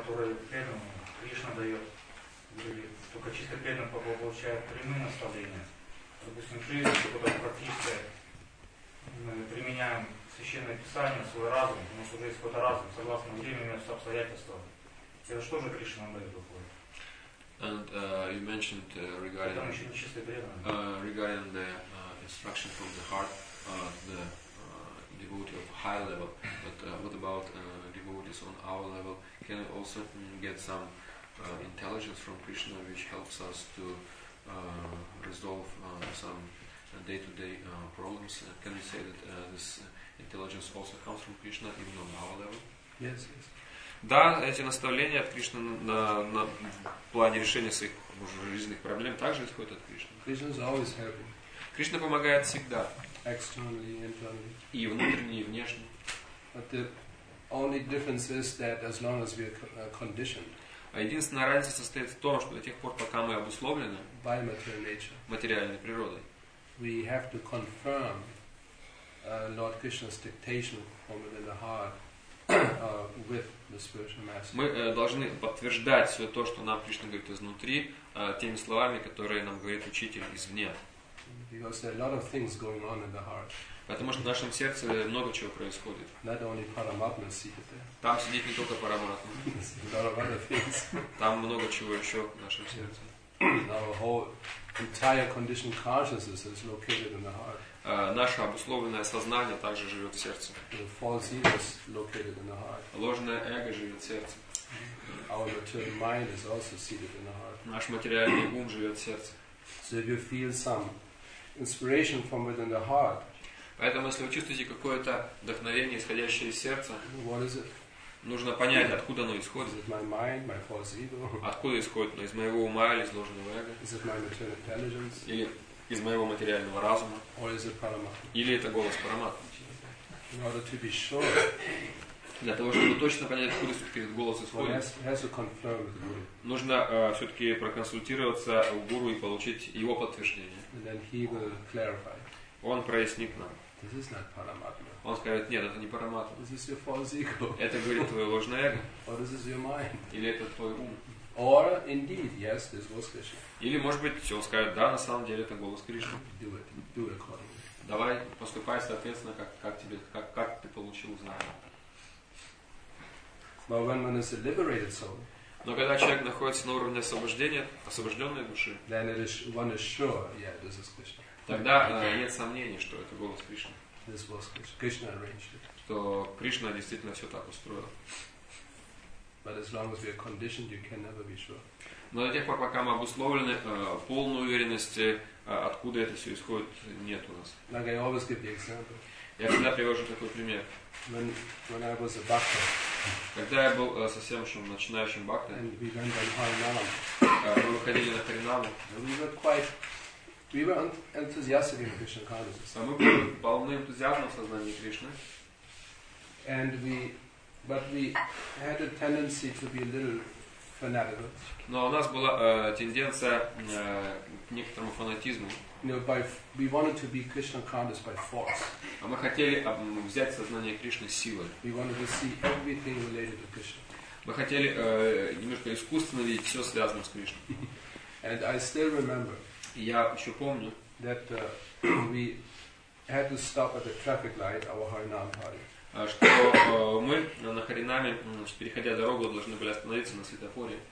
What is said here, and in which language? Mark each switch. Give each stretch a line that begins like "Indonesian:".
Russian: преданному, Кришна дает. Только чисто преданный Папа получает прямые наставления. Допустим, жизнь, что-то практическое. Мы применяем священное писание, свой разум, потому что уже есть какой-то разум, согласно времени, месту, обстоятельствам. Это что же Кришна нам дает выходит?
English: And you mentioned regarding the instruction from the heart, the devotee of high level. But what about devotees on our level? Can we also get some intelligence from Krishna, which helps us to resolve some day-to-day problems? Can we say that this intelligence also comes from Krishna, even on our level? Yes. Yes.
Russian: Да, эти наставления от Кришны на плане решения своих жизненных проблем также исходят от Кришны. Кришна помогает всегда.
English: Externally, internally.
Russian: И внутренне, и внешне.
English: But the only difference is that as long as we are conditioned.
Russian: А единственная разница состоит в том, что до тех пор, пока мы обусловлены
English: by material nature,
Russian: материальной природой,
English: we have to confirm Lord Krishna's dictation from within the heart. With the spiritual master.
Russian: Мы должны подтверждать все то, что нам Кришна говорит изнутри, теми словами, которые нам говорит учитель извне.
English: Because there are a lot of things going on in the heart.
Russian: Потому что в нашем сердце много чего происходит.
English: Not only Paramatma seated there.
Russian: Там сидит не только Параматма.
English: A lot of other things.
Russian: Там много чего еще в нашем сердце.
English: Our whole entire conditioned consciousness is located in the heart.
Russian: Наше обусловленное сознание также живет в сердце.
English: The false ego is located in the heart.
Russian: Ложное эго живет в сердце.
English: Our material mind is also seated in the heart.
Russian: Наш материальный ум живет в сердце.
English: So if you feel some inspiration from within the heart,
Russian: поэтому если вы чувствуете какое-то вдохновение, исходящее из сердца,
English: what is it?
Russian: Нужно понять, откуда оно исходит.
English: Is it my mind, my false ego?
Russian: Откуда исходит оно? Из моего ума или из ложного эго?
English: Is it my material intelligence?
Russian: Или из моего материального разума?
English: Or is it Paramatma?
Russian: Или это голос Параматмы?
English: In order to be sure,
Russian: для того, чтобы точно понять, откуда все-таки этот голос исходит,
English: has to confirm with the guru.
Russian: Нужно все-таки проконсультироваться у гуру и получить его подтверждение.
English: And then he will clarify.
Russian: Он прояснит нам.
English: This is not Paramatma.
Russian: Он скажет, нет, это не Параматма.
English: This is your false ego.
Russian: Это говорит твое ложное эго.
English: Or this is your mind.
Russian: Или это твой ум.
English: Or indeed, yes, this was Krishna.
Russian: Или, может быть, он скажет, да, на самом деле это голос Кришны.
English: Do it. Do it accordingly.
Russian: Давай поступай соответственно, как ты получил знание.
English: But when one is a liberated soul,
Russian: но когда человек находится на уровне освобождения, освобожденной души,
English: then it is, one is sure, yeah, this is Krishna.
Russian: Тогда нет сомнений, что это голос Кришны.
English: This was Krishna. Krishna arranged it.
Russian: Что Кришна действительно все так устроил.
English: But as long as we are conditioned, you can never be sure.
Russian: Но до тех пор, пока мы обусловлены, полной уверенности, откуда это все исходит, нет у нас.
English: Like I always give the example.
Russian: Я всегда привожу такой пример.
English: When I was a bhakta.
Russian: Когда я был совсем еще начинающим бхакта.
English: And we went on Harinam.
Russian: Мы выходили на Харинаму.
English: We were enthusiastic in Krishna consciousness.
Russian: Мы были полны энтузиазмом в сознании Кришны.
English: And we But we had a tendency to be a little fanatical.
Russian: Но у нас была тенденция к некоторому фанатизму.
English: We wanted to be Krishna conscious by force.
Russian: А мы хотели взять сознание Кришны силой.
English: We wanted to see everything related to Krishna.
Russian: Мы хотели немножко искусственно видеть все связанное с Кришной.
English: And I still remember.
Russian: Я еще помню.
English: That we had to stop at the traffic light our Harinam party.
Russian: Что мы на Харинаме, переходя дорогу, должны были остановиться на светофоре.